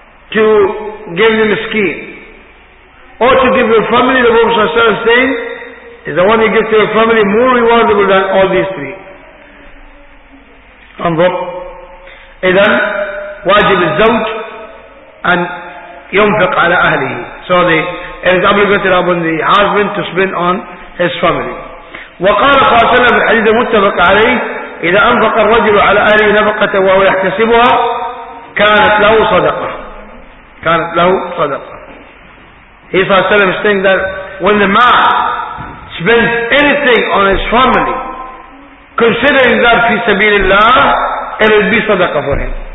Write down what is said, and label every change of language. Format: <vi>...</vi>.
<en>To give the مسكين. Or to give your family, the Prophet ﷺ saying, is the one you give to your family more rewardable than all these three.</en> <ar>انظر. إذن واجب الزوج أن ينفق على أهله.</ar> <en>So it is obligated upon the husband to spend on his family.</en> <ar>وقال صلى الله عليه وسلم في الحديث المتفق عليه إذا أنفق الرجل على أهله نفقة وهو يحتسبها كانت له صدقة. كانت له صدقة.</ar> <en>He صلى الله عليه وسلم saying that when the man spends anything on his family considering that</en> <ar>في سبيل الله,</ar> <en>it will be sadaqah for him.</en>